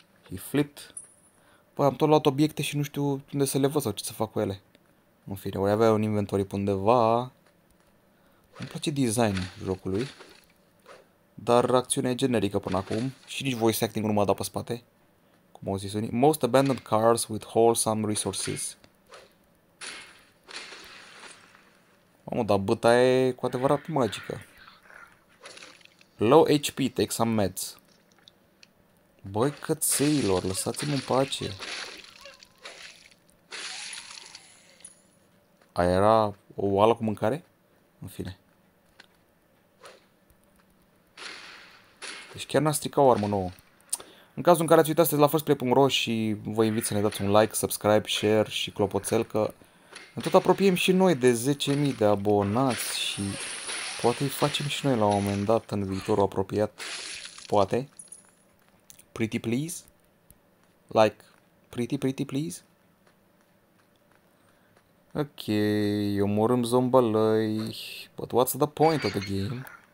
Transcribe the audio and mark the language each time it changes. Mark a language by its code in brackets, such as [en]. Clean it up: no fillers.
[ro] E flipped. Păi, am tot luat obiecte și nu știu unde să le văd sau ce să fac cu ele. În fine, ori avea un inventory pe undeva. Îmi place design jocului. Dar acțiunea e generică până acum. Și nici voice acting nu m-a dat pe spate. Cum au zis unii. [en] Most abandoned cars with wholesome resources. [ro] Mamă, dar bâta e cu adevărat magică. [en] Low HP, take some meds. [ro] Băi, cățeilor, lăsați-mă în pace. Aia era o oală cu mâncare? În fine. Deci chiar n-a stricat o armă nouă. În cazul în care ați uitat, sunteți la firstplay.ro și vă invit să ne dați un like, subscribe, share și clopoțel, că ne tot apropiem și noi de 10.000 de abonați și poate îi facem și noi la un moment dat în viitorul apropiat. Poate. [en] Pretty please? Like, pretty, pretty please? [ro] Ok, omorâm zombălăi. [en] But what's the point of the game?